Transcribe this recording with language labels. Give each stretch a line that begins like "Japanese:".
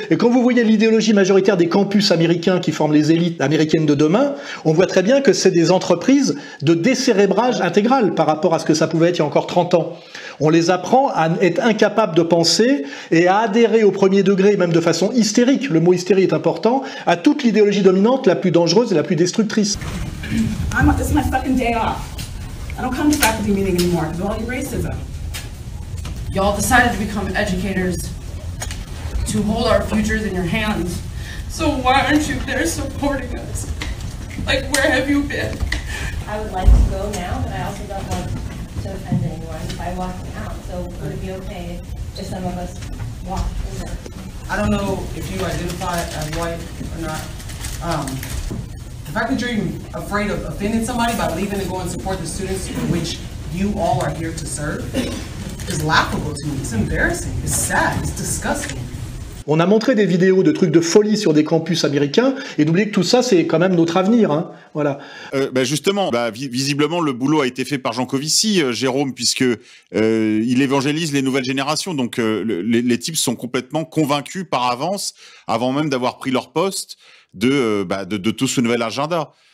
French: Et quand vous voyez l'idéologie majoritaire des campus américains qui forment les élites américaines de demain, on voit très bien que c'est des entreprises de décérébrage intégral par rapport à ce que ça pouvait être il y a encore 30 ans. On les apprend à être incapables de penser et à adhérer au premier degré, même de façon hystérique, le mot hystérie est important, à toute l'idéologie dominante la plus dangereuse et la plus destructrice.
English: This is my fucking day off. I don't come to faculty meeting anymore because of all your racism. Y'all decided to become educators to hold our futures in your hands. So why aren't you there supporting us? Like, where have you been? I would like to go now, but I also don't want to offend anyone by walking out. So would it be okay if some of us walk over? I don't know if you identify as white or not. The fact that you're even afraid of offending somebody by leaving to go and support the students for which you all are here to serve is laughable to me. It's embarrassing. It's sad. It's disgusting.
French: On a montré des vidéos de trucs de folie sur des campus américains, et d'oublier que tout ça, c'est quand même notre avenir. Hein. Voilà. Visiblement, le boulot a été fait par Jean Covici, Jérôme, puisque il évangélise les nouvelles générations. Donc, les types sont complètement convaincus par avance, avant même d'avoir pris leur poste, de tout ce nouvel agenda.